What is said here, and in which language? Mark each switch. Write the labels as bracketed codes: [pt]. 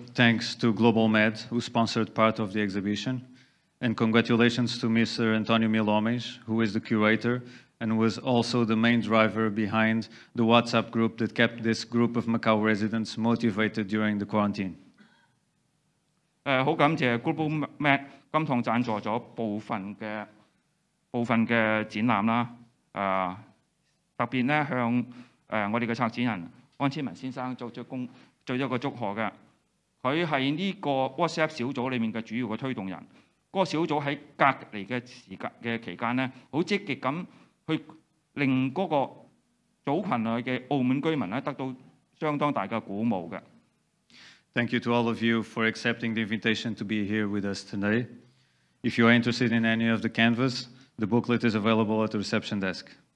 [en] thanks to Global Med who sponsored part of the exhibition, and congratulations to Mr. Antonio Milomes, who is the curator and was also the main driver behind the WhatsApp group that kept this group of Macau residents motivated during the quarantine. [yue] 好感謝 Global Map 金堂贊助咗部分嘅展覽啦，特別咧向我哋嘅策展人安千文先生做咗一個祝賀嘅，佢係呢個 WhatsApp 小組裡面嘅主要嘅推動人，那個小組喺隔離嘅時間咧，好積極咁去令嗰個組群內嘅澳門居民咧得到相當大嘅鼓舞嘅。 [en] Thank you to all of you for accepting the invitation to be here with us today. If you are interested in any of the canvas, the booklet is available at the reception desk.